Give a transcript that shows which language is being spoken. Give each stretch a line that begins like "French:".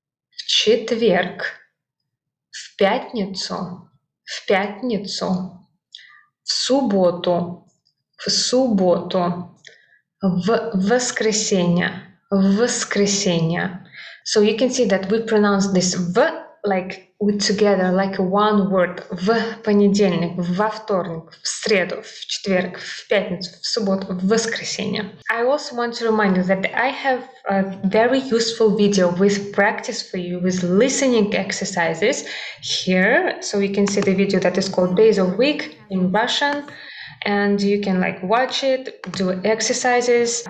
Russian: В четверг. В пятницу. В пятницу. В субботу. В субботу. В воскресенье. В воскресенье.
English: So you can see that we pronounce this в like with together, like one word.
Russian: В понедельник, во вторник, в среду, в четверг, в пятницу, в субботу, в воскресенье.
English: I also want to remind you that I have a very useful video with practice for you, with listening exercises here. So you can see the video that is called Days of Week in Russian. And you can like watch it, do exercises.